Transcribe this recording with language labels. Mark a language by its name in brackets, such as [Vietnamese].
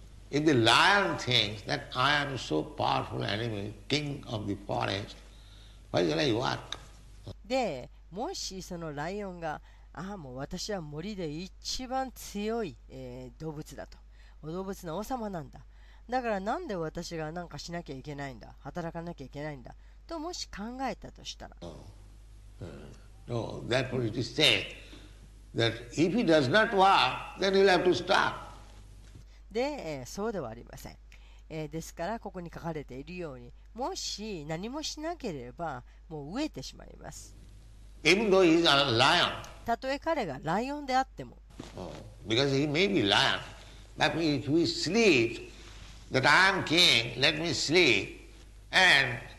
[English] If the lion thinks that I am so powerful enemy, king of the forest, why shall I work? [Japanese] で、もしそのライオンが、ああ、もう私は森で一番強い、動物だと。お動物の王様なんだ。だからなんで私が何かしなきゃいけないんだ。働かなきゃいけないんだ。ともし考えたとしたら。 [English] No, therefore it is said that if he does not work, then he'll have to stop. [Japanese] で、そうではありません。ですからここに書かれているように、もし何もしなければもう飢えてしまいます。 [English] Even though he's a lion. [Japanese] たとえ彼がライオンであっても。 [English] Because he may be lion, but if he sleeps, that I am king, let me sleep, and.